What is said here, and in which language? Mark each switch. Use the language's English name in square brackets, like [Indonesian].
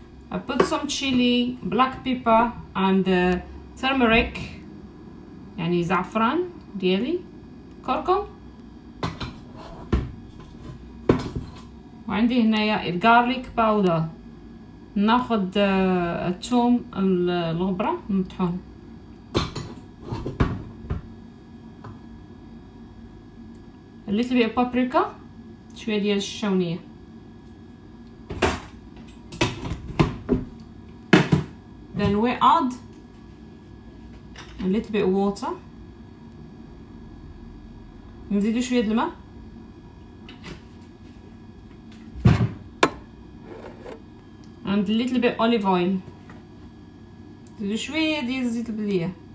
[English] I put some chili, black pepper and turmeric, [Arabic] يعني زعفران ديالي, [English] كركم, [Arabic] وعندي هنايا الغارليك باودر. ناخد الثوم الغبرة نطحون. [English] little bit of paprika, [Arabic] شوية ديال الشاونية. [English] then we add a little bit of water. [Arabic] نزيدو شوية الماء. [English] and a little bit olive oil. [Arabic] زيدو شوية ديال الزيت البلدية.